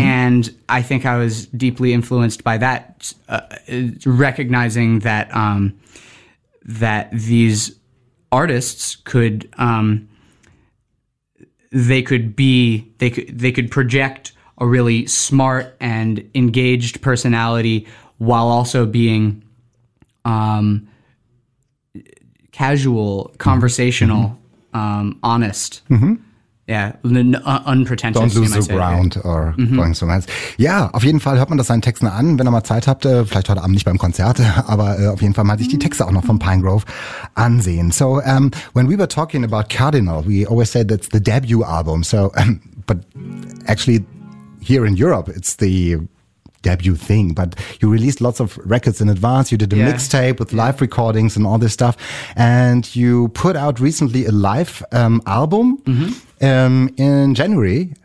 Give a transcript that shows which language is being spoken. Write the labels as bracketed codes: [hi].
[en] And I think I was deeply influenced by that, recognizing that that these artists could, they could project a really smart and engaged personality while also being casual, conversational, honest. Mm-hmm. Yeah, unpretentious. Don't lose the ground or going somewhere else. [de] Ja, auf jeden Fall hört man das seinen Texten an, wenn ihr mal Zeit habt, vielleicht heute Abend nicht beim Konzert, aber auf jeden Fall mal sich die Texte auch noch von Pine Grove ansehen. [en] So, when we were talking about Cardinal, we always said that's the debut album, so, but actually, here in Europe, it's the debut thing, but you released lots of records in advance. You did a mixtape with live recordings and all this stuff. And you put out recently a live album in January.